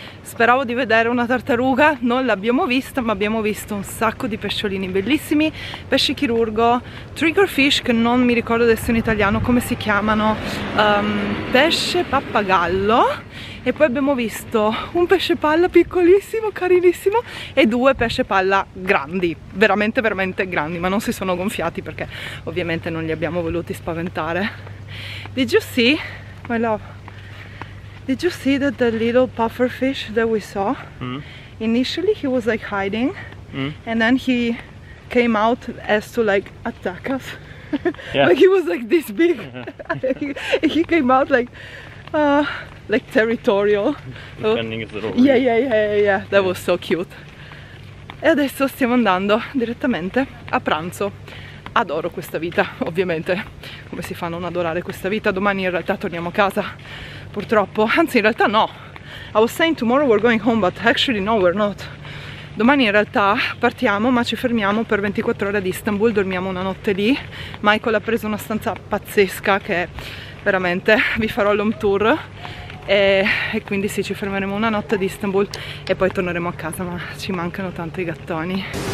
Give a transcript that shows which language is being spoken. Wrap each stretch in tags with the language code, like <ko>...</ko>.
<it>Speravo di vedere una tartaruga, non l'abbiamo vista, ma abbiamo visto un sacco di pesciolini bellissimi, pesci chirurgo, triggerfish, che non mi ricordo adesso in italiano come si chiamano, pesce pappagallo, e poi abbiamo visto un pesce palla piccolissimo, carinissimo, e due pesce palla grandi, veramente veramente grandi, ma non si sono gonfiati perché ovviamente non li abbiamo voluti spaventare.</it> <en>Did you see? My love, did you see that the little puffer fish that we saw? Mm-hmm. Initially he was like hiding, and then he came out as to like attack us. Yeah. Like he was like this big. He came out like territorial. Defending his little reef. Yeah. That was so cute.</en> <it>E adesso stiamo andando direttamente a pranzo. Adoro questa vita, ovviamente. Come si fa a non adorare questa vita? Domani in realtà torniamo a casa, purtroppo. Anzi, in realtà no.</it> <en>I was saying tomorrow we're going home, but actually no, we're not.</en> <it>Domani in realtà partiamo, ma ci fermiamo per 24 ore ad Istanbul. Dormiamo una notte lì. Michael ha preso una stanza pazzesca che veramente vi farò l'home tour. E quindi sì, ci fermeremo una notte ad Istanbul e poi torneremo a casa, ma ci mancano tanto i gattoni.</it>